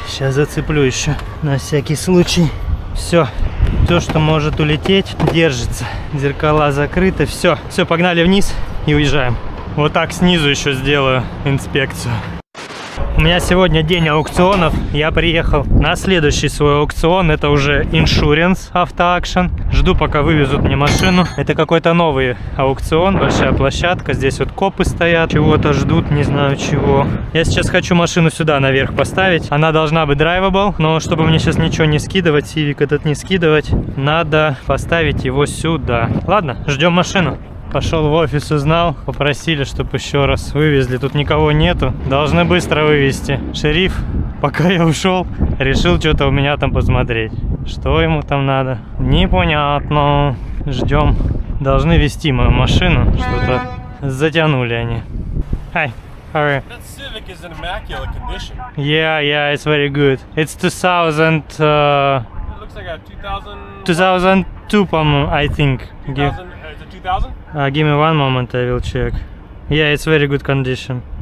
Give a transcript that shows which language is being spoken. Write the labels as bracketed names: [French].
[Russian] Сейчас зацеплю еще на всякий случай. Все. Все, что может улететь, держится. Зеркала закрыты. Все. Все, погнали вниз и уезжаем. Вот так снизу еще сделаю инспекцию. У меня сегодня день аукционов. Я приехал на следующий свой аукцион. Это уже Insurance Auto Action. Жду, пока вывезут мне машину. Это какой-то новый аукцион. Большая площадка. Здесь вот копы стоят. Чего-то ждут, не знаю чего. Я сейчас хочу машину сюда наверх поставить. Она должна быть драйвабл. Но чтобы мне сейчас ничего не скидывать, Civic этот не скидывать, надо поставить его сюда. Ладно, ждем машину. Пошел в офис, узнал, попросили, чтобы еще раз вывезли. Тут никого нету, должны быстро вывезти. Шериф, пока я ушел, решил что-то у меня там посмотреть. Что ему там надо? Непонятно. Ждем. Должны везти мою машину. Что-то затянули они. [English] Hi, how are you? That Civic is in immaculate condition. Yeah, yeah, it's very good. It's 2000... It looks like a 2000... 2002, I think. 2000, is it 2000? Give me one moment, I will check. Yeah, it's very good condition.